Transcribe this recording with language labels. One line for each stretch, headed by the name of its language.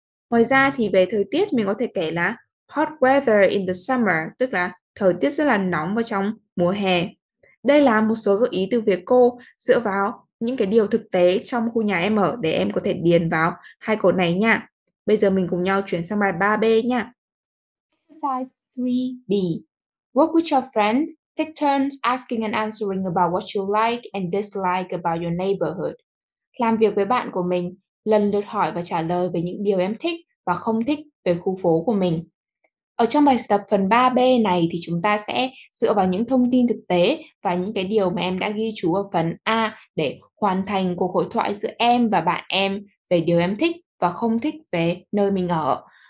Vietnamese: Ngoài ra thì về thời tiết, mình có thể kể là
English: hot weather in the summer,
Vietnamese: tức là thời tiết rất là nóng vào trong mùa hè. Đây là một số gợi ý từ việc cô dựa vào những cái điều thực tế trong khu nhà em ở để em có thể điền vào hai cột này nha. Bây giờ mình cùng nhau chuyển sang bài 3B nha.
English: Exercise 3B. Work with your friend. Take turns asking and answering about what you like and dislike about your neighborhood.
Vietnamese: Làm việc với bạn của mình, lần lượt hỏi và trả lời về những điều em thích và không thích về khu phố của mình. Ở trong bài tập phần 3B này thì chúng ta sẽ dựa vào những thông tin thực tế và những cái điều mà em đã ghi chú ở phần A để hoàn thành cuộc hội thoại giữa em và bạn em về điều em thích và không thích về nơi mình ở.